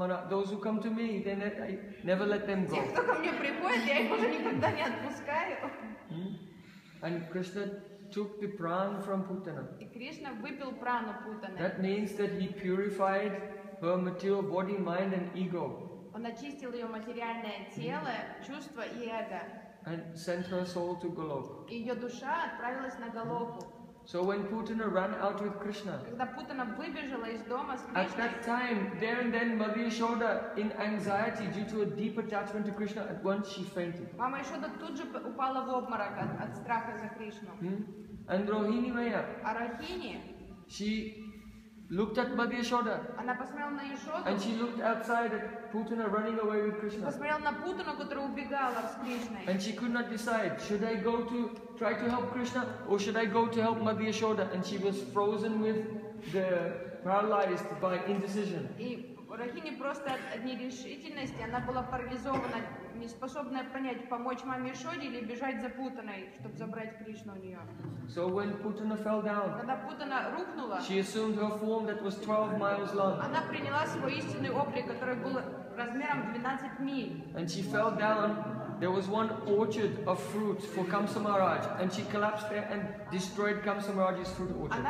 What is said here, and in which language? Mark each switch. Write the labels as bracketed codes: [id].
[en] Those who come to me, then I never let them go. [ru] Те, кто ко мне приходит, я их уже никогда не отпускаю. [en] And Krishna took the prana from Putana. [ru] И Кришна выпил прану Путаны. [en] That means that he purified her material body, mind and ego. [ru] Он очистил ее материальное тело, чувства и эго. [en] And sent her soul to Golok. [ru] И ее душа отправилась на Голоку. [en] So when Putana ran out with Krishna, [ru] когда Путана выбежала из дома с Кришной, [en] at that time, there and then, Mother Yashoda, in anxiety due to a deep attachment to Krishna, at once she fainted. [ru] Мама Ешода тут же упала в обморок от страха за Кришну. [en] And Rohini Maya, [ru] а Рохини, [en] she looked at Mother Yashoda, [ru] она посмотрела на Ешоду, [en] and she looked outside at Putana running away with Krishna. [ru] Посмотрела на Путану, которая убегала с Кришной. [en] And she could not decide, should I go to try to help Krishna or should I go to help Mother Yashoda? And she was frozen with the paralyzed by indecision. [ru] И Рохини просто от нерешительности, она была парализована, не способная понять, помочь маме Ешоде или бежать за Путаной, чтобы забрать Кришну у нее. [en] So when Putana fell down, [ru] когда Путана рухнула, [en] she assumed her form that was 12 miles long. [ru] Она приняла свой истинный облик, который был размером 12 миль. [en] And she fell down. There was one orchard of fruit for Kamsa Maharaj, and she collapsed there and destroyed Kamsa Maharaj's fruit orchard.